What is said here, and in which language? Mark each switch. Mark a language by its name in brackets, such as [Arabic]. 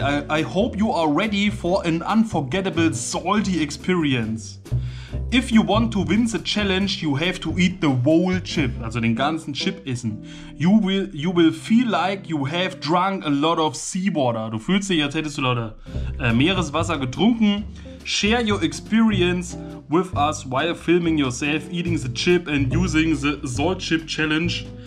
[English] I hope you are ready for an unforgettable salty experience. If you want to win the challenge, you have to eat the whole chip. [German] Also den ganzen Chip essen. [English] You will feel like you have drunk a lot of seawater. [German] Du fühlst dich, als hättest du lauter Meereswasser getrunken. [English] Share your experience with us while filming yourself eating the chip and using the salt chip challenge.